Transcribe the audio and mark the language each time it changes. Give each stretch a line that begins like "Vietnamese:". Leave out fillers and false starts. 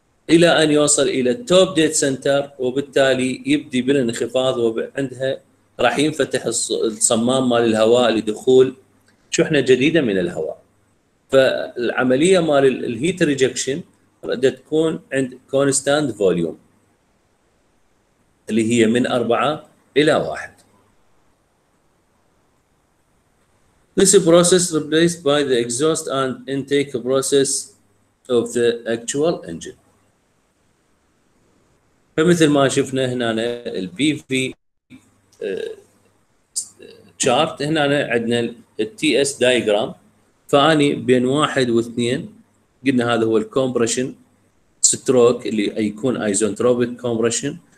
Arabic: الى ان يوصل الى التوب ديد سنتر وبالتالي يبدي بالانخفاض وعندها راح ينفتح الصمام مال الهواء لدخول شحنة جديدة من الهواء. فالعملية مال الهيت ريجكشن بدها تكون عند كونستانت فوليوم اللي هي من 4 الى 1.
English: This process replaced by the exhaust and intake process of the actual engine.
Arabic: فمثل ما شفنا هنا البي في chart هنا عندنا التي اس دايجرام. فاني بين 1 و 2 قلنا هذا هو الكومبريشن ستروك اللي يكون ايزونتروبيك كومبريشن.